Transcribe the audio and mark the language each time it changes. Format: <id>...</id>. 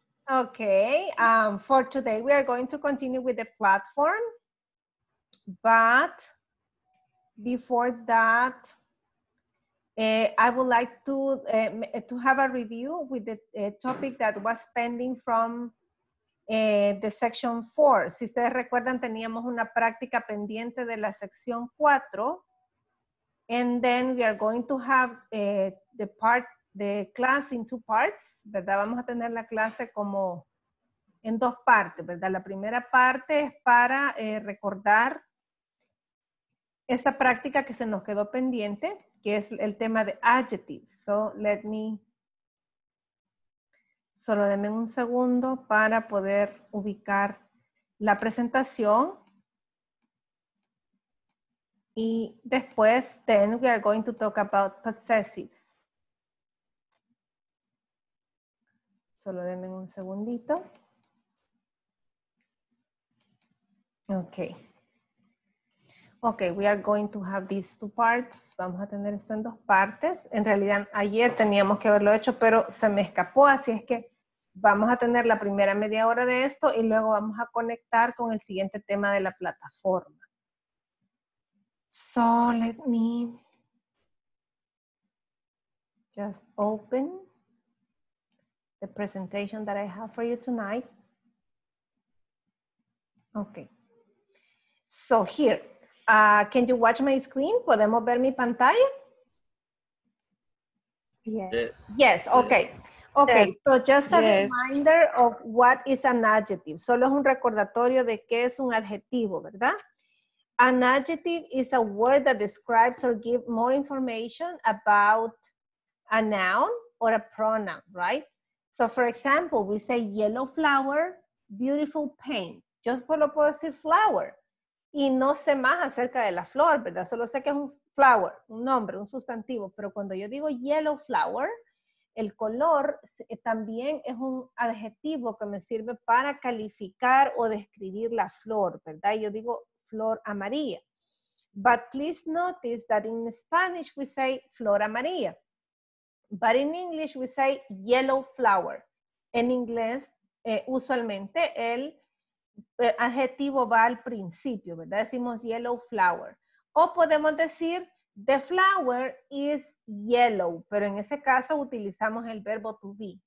<en>Okay, for today we are going to continue with the platform, but before that, I would like to have a review with the topic that was pending from the section 4.</en> <es>Si ustedes recuerdan, teníamos una práctica pendiente de la sección 4.</es> <en>And then we are going to have the class in two parts, ¿verdad?</en> <es>Vamos a tener la clase como en dos partes, ¿verdad? La primera parte es para recordar esta práctica que se nos quedó pendiente, que es el tema de adjectives.</es> <en>So, let me,</en> <es>solo denme un segundo para poder ubicar la presentación. Y después,</es> <en>then we are going to talk about possessives.</en> <es>Solo denme un segundito.</es> <en>Okay. Okay, we are going to have these two parts.</en> <es>Vamos a tener esto en dos partes. En realidad, ayer teníamos que haberlo hecho, pero se me escapó. Así es que vamos a tener la primera media hora de esto y luego vamos a conectar con el siguiente tema de la plataforma.</es> <en>So, let me just open the presentation that I have for you tonight. Okay. So, here. Can you watch my screen?</en> <es>¿Podemos ver mi pantalla?</es> <en>Yes. Okay. Okay, so just a reminder of what is an adjective.</en> <es>Solo es un recordatorio de qué es un adjetivo, ¿verdad?</es> <en>An adjective is a word that describes or gives more information about a noun or a pronoun, right? So, for example, we say yellow flower, beautiful paint.</en> <es>Yo solo puedo decir flower. Y no sé más acerca de la flor, ¿verdad? Solo sé que es un flower, un nombre, un sustantivo. Pero cuando yo digo yellow flower, el color también es un adjetivo que me sirve para calificar o describir la flor, ¿verdad? Yo digo flor amarilla.</es> <en>But please notice that in Spanish we say flor amarilla. But in English we say yellow flower.</en> <es>En inglés, usualmente el adjetivo va al principio, ¿verdad? Decimos yellow flower. O podemos decir</es> <en>the flower is yellow,</en> <es>pero en ese caso utilizamos el verbo to be.</es>